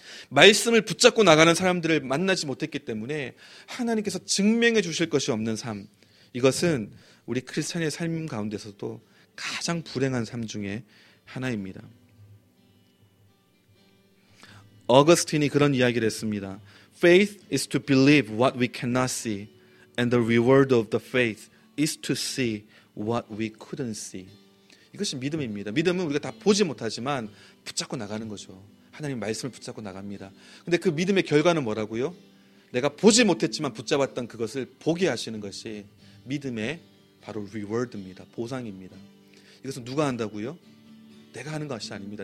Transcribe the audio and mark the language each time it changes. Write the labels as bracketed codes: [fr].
[ko] 말씀을 붙잡고 나가는 사람들을 만나지 못했기 때문에 하나님께서 증명해 주실 것이 없는 삶. 이것은 우리 크리스찬의 삶 가운데서도 가장 불행한 삶 중에 하나입니다. 어거스틴이 그런 이야기를 했습니다. [en] Faith is to believe what we cannot see, and the reward of the faith is to see what we couldn't see. [ko] 이것이 믿음입니다. 믿음은 우리가 다 보지 못하지만 붙잡고 나가는 거죠. 하나님 말씀을 붙잡고 나갑니다. 근데 그 믿음의 결과는 뭐라고요? 내가 보지 못했지만 붙잡았던 그것을 보게 하시는 것이 믿음의 바로 reward입니다. 보상입니다. 이것은 누가 한다고요? 내가 하는 것이 아닙니다.